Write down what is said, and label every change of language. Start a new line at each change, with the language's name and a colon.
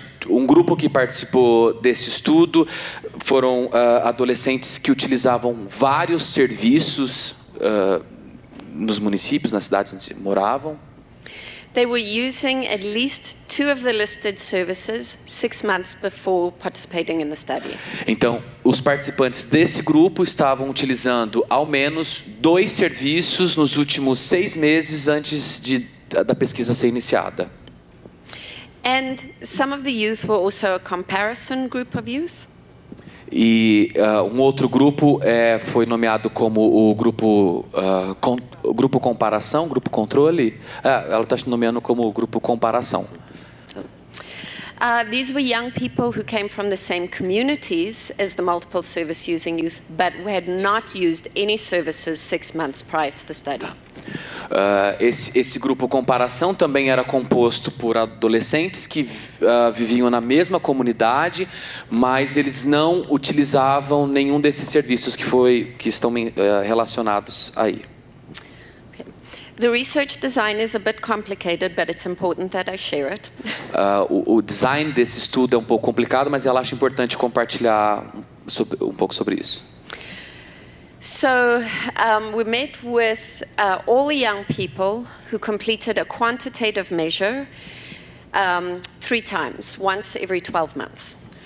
Portuguese: Um grupo que participou desse estudo foram adolescentes que utilizavam vários serviços nos municípios, nas cidades onde moravam.
English: They were using at least two of the listed services 6 months before participating in the study.
Portuguese: Então, os participantes desse grupo estavam utilizando ao menos dois serviços nos últimos 6 meses antes da pesquisa ser iniciada.
English: And some of the youth were also a comparison group of youth.
Portuguese: E um outro grupo foi nomeado como o grupo grupo comparação, grupo controle. Ela está se nomeando como o grupo comparação.
English: These were young people who came from the same communities as the multiple service using youth, but who had not used any services 6 months prior to the study.
Portuguese: Esse grupo comparação também era composto por adolescentes que viviam na mesma comunidade, mas eles não utilizavam nenhum desses serviços que estão relacionados aí.
English: The research design is a bit complicated, but it's important that I share it.
Portuguese: O design desse estudo é um pouco complicado, mas ela acha importante compartilhar um pouco sobre isso.
English: So, we met with all the young people who completed a quantitative measure 3 times, once every 12 months.